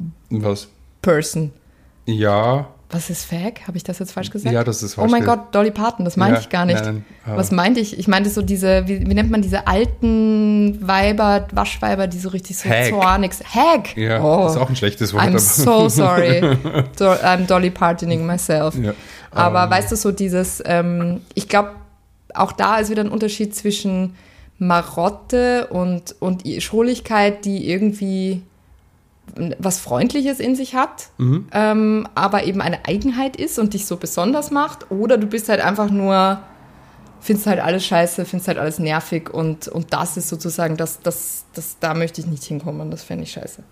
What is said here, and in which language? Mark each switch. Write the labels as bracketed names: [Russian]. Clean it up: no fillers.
[German] was? Person. Ja. Was ist fag? Habe ich das jetzt falsch gesagt? Ja, das ist falsch. Oh mein Gott, Dolly Parton, das meinte ich gar nicht. Nein, nein. Was meinte ich? Ich meinte so diese, wie nennt man diese alten Weiber, Waschweiber, die so richtig so zornig sind. Hag. Ja, das ist auch ein schlechtes Wort. [English] I'm so sorry. I'm Dolly Partoning myself. [German] Ja. Aber weißt du, so dieses, ich glaube, auch da ist wieder ein Unterschied zwischen Marotte und Schrulligkeit, die irgendwie was Freundliches in sich hat, aber eben eine Eigenheit ist und dich so besonders macht, oder du bist halt einfach nur, findest halt alles scheiße, findest halt alles nervig und das ist sozusagen das, da möchte ich nicht hinkommen, das fände ich scheiße.